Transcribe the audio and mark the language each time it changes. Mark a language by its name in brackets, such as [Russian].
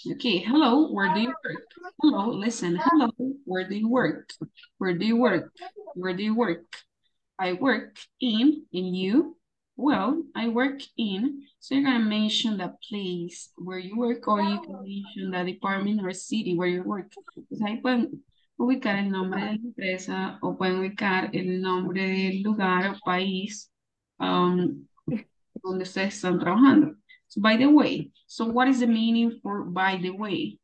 [English] Okay, hello, where do you work? Hello, listen, hello, where do you work? Where do you work? Where do you work? I work in, and you? Well, I work in, so you're going to mention the place where you work, or you can mention the department or city where you work. [Spanish] Ubicar el nombre de la empresa o pueden ubicar el nombre del lugar o país donde ustedes están trabajando. [English] So, by the way, so what is the meaning for by the way?